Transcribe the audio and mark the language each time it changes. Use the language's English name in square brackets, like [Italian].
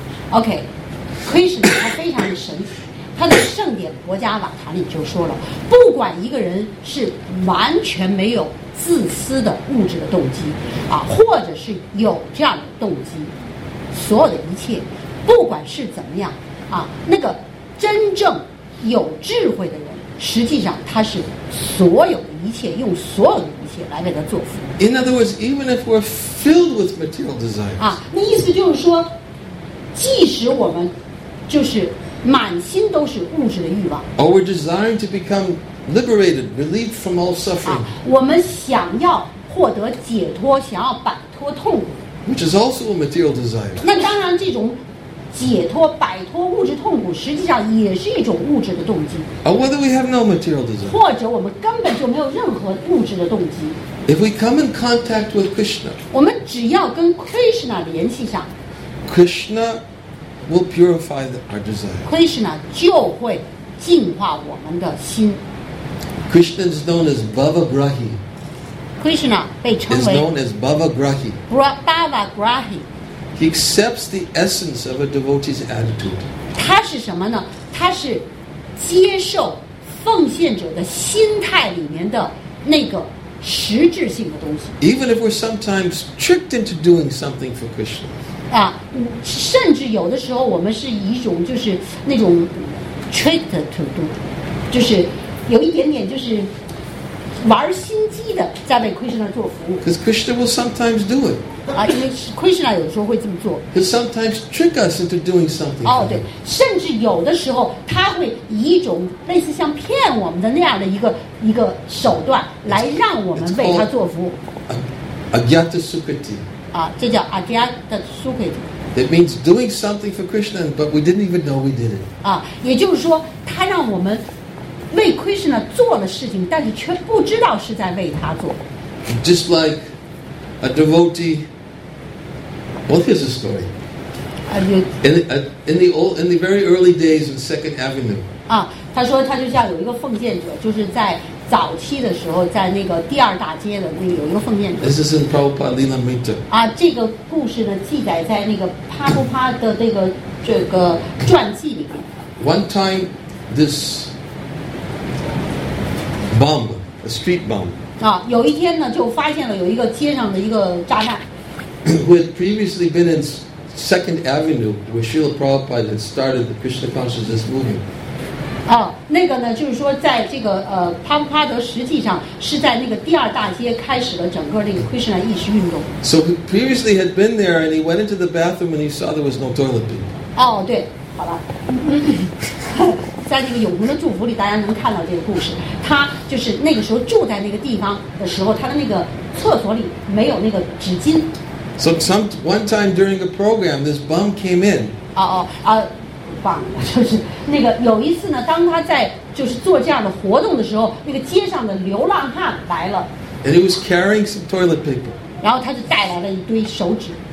[Chinese] Okay, Krishna 他非常的神奇，他的圣典《国家瓦塔》里就说了，不管一个人是完全没有自私的物质的动机啊，或者是有这样的动机，所有的一切，不管是怎么样啊，那个真正有智慧的人，实际上他是所有的一切用所有的。 [English] In other words, even if we're filled with material desires, [Chinese] 那意思就是说，即使我们就是满心都是物质的欲望 [English] ，or we're desiring to become liberated, relieved from all suffering, [Chinese] 我们想要获得解脱，想要摆脱痛苦 [English] ，which is also a material desire. [Chinese] 那当然，这种解脱、摆脱物质痛苦，实际上也是一种物质的动机。 [English] Or whether we have no material desire. [Chinese] 或者我们根本就没有任何物质的动机。 [English] If we come in contact with Krishna. [Chinese] 我们只要跟 Krishna 联系上。 [English] Krishna will purify our desire. [Chinese] Krishna 就会净化我们的心。 [English] Krishna is known as Bhava Grahi. [Chinese] Krishna 被称为 [English] is known as Bhavagrahi. [Sanskrit] Bhavagrahi. [English] He accepts the essence of a devotee's attitude. [Chinese] 他是什么呢？他是接受奉献者的心态里面的那个实质性的东西。 [English] Even if we're sometimes tricked into doing something for Krishna. [Chinese] 啊，甚至有的时候我们是以一种就是那种 [English] tricked to do， [Chinese] 就是有一点点就是。玩心机的在为 Krishna 做服务 [English] because Krishna will sometimes do it [Chinese] 啊，因为 Krishna 有时候会这么做 [English] he sometimes trick us into doing something [Chinese] 哦，对，甚至有的时候他会以一种类似像骗我们的那样的一个手段来让我们为他做服务 [Sanskrit] Agyata Sukriti [Chinese] 啊，这叫 Agyata Sukriti [English] It means doing something for Krishna but we didn't even know we did it [Chinese] 啊，也就是说他让我们为 Krishna 做的事情，但是却不知道是在为他做。 [English] Just like a devotee, well, here's a story. In the very early days of Second Avenue. [Chinese] 啊，他说他就像有一个奉献者，就是在早期的时候，在那个第二大街的那有一个奉献者。 [English] This is in Prabhupada Lilamrita. [Chinese] 啊，这个故事呢记载在那个帕布帕的那个这个传记里面。 [English] One time, this. Bum, a street bum. [Chinese] 啊，有一天呢，就发现了有一个街上的一个炸弹。 [English] Who had previously been in Second Avenue, where Srila Prabhupada had started the Krishna consciousness movement. [Chinese] 啊，那个呢，就是说，在这个帕布帕德实际上是在那个第二大街开始了整个那个 Krishna 意识运动。 [English] So he previously had been there, and he went into the bathroom, and he saw there was no toilet paper. [Chinese] 哦，对，好了。在那个永恒的祝福里，大家能看到这个故事。他就是那个时候住在那个地方的时候，他的那个厕所里没有那个纸巾。 [English] So some one time during the program, this bum came in. [Chinese] 哦哦啊，棒！就是那个有一次呢，当他在就是做这样的活动的时候，那个街上的流浪汉来了。 [English] And he was carrying some toilet paper. [Chinese] 然后他就带来了一堆手纸。